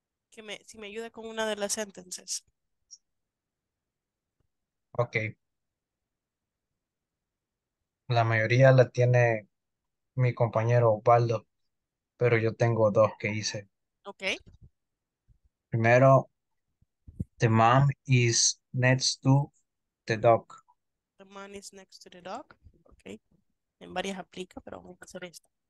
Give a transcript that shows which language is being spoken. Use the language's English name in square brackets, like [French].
[Spanish] Que me, si me ayuda con una de las sentences. [English] Ok. [Spanish] La mayoría la tiene mi compañero Osvaldo, pero yo tengo dos que hice. [English] Okay. Primero, the mom is next to the dog. The man is next to the dog. Okay. [Spanish] En varias aplica, pero vamos a hacer esto.